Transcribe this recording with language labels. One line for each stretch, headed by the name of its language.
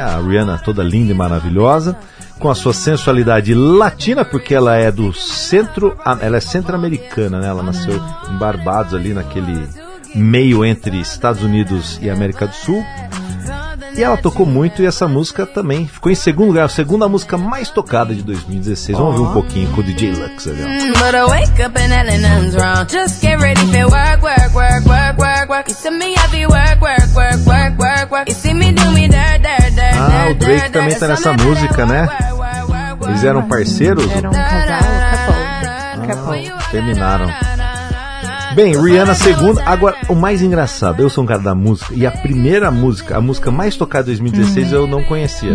Portuguese: A Rihanna toda linda e maravilhosa, com a sua sensualidade latina, porque ela é do centro, ela é centro-americana, né? Ela nasceu em Barbados, ali naquele meio entre Estados Unidos e América do Sul. E ela tocou muito, e essa música também ficou em segundo lugar, a segunda música mais tocada de 2016. Vamos ver um pouquinho com o DJ Lux ali, ó.
English: But I wake up and nothing's wrong. Just get ready for work, work, work, work, work, work. You see me happy, work, work, work, work, work, work. You see me do me dirt, dirt, dirt.
Portuguese: Ah, o Drake também tá nessa música, né? Eles eram parceiros? Eram um casal, acabou. Terminaram. Bem, Rihanna segunda. Agora, o mais engraçado, eu sou um cara da música, e a primeira música, a música mais tocada de 2016, eu não conhecia.